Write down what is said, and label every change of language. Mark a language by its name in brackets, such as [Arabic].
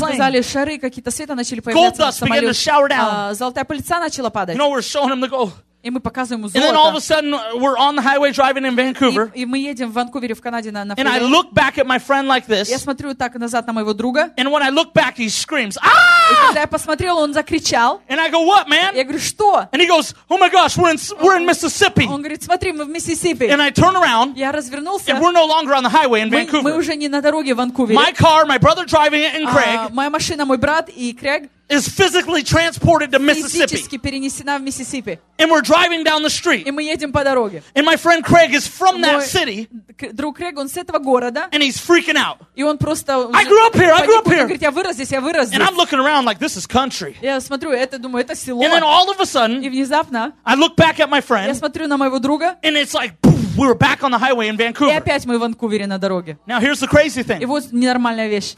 [Russian] Мы сказали, шары какие-то света начали появляться. [English] Gold dust began to shower down. [Russian] Золотая пыльца начала падать. [English] You know, we're showing them the gold. [Russian] И мы показываем ему золото. [English] And then all of a sudden we're on the highway driving in Vancouver. [Russian] И мы едем в Ванкувере в Канаде на [English] And I look back at my friend like this. [Russian] Я смотрю так назад на моего друга. [English] And when I look back, he screams, ah! [Russian] И когда я посмотрел, он закричал. [English] And I go, what, man? [Russian] Я говорю, что? [English] And he goes, oh my gosh, we're in Mississippi. [Russian] Он говорит, смотри, мы в Миссисипи. [English] And I turn around. [Russian] Я развернулся. [English] And we're no longer on the highway in Vancouver. [Russian] Мы уже не на дороге в Ванкувере. [English] My car, my brother driving it, and Craig. [Russian] Моя машина, мой брат и Крэг. [English] Is physically transported to Mississippi. [Russian] Физически перенесена в Миссисипи. [English] And we're driving down the street. [Russian] И мы едем по дороге. [English] And my friend Craig is from that city. [Russian] Друг Крэг, он с этого города. [English] And he's freaking out. [Russian] И он просто. [English] I grew up here. I grew up here. [Russian] Говорит, я вырос здесь, я вырос здесь. [English] And I'm looking around like this is country. [Russian] Я смотрю, это думаю, это село. [English] And then all of a sudden. [Russian] И внезапно. [English] I look back at my friend. [Russian] Я смотрю на моего друга. [English] And it's like, poof, we were back on the highway in Vancouver. [Russian] И опять мы в Ванкувере на дороге. [English] Now here's the crazy thing. [Russian] И вот ненормальная вещь.